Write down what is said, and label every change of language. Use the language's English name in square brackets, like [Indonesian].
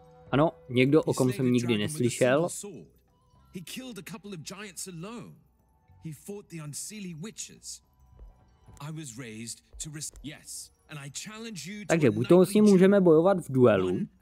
[Czech] Ano, někdo, o kom jsem nikdy neslyšel. [English] He killed a couple of giants alone. He fought the unseelie witches. I was raised to risk. Yes, and I challenge you to. [Czech] Takže buď to s ním můžeme bojovat v duelu.